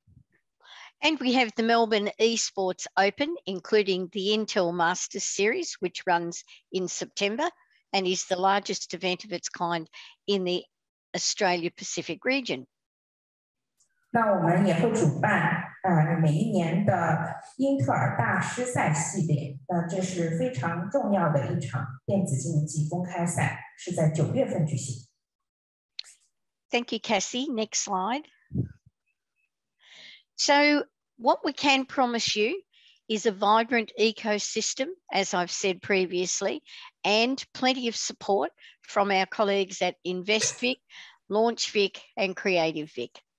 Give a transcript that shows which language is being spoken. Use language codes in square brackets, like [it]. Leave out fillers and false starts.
[en] And we have the Melbourne Esports Open, including the Intel Masters Series, which runs in September and is the largest event of its kind in the Australia Pacific region. [zh] 那我们也会主办每一年的英特尔大师赛系列，那这是非常重要的一场电子竞技公开赛，是在九月份举行。 [en] Thank you, Cassie. Next slide. So what we can promise you is a vibrant ecosystem, as I've said previously, and plenty of support from our colleagues at InvestVic, LaunchVic and CreativeVic.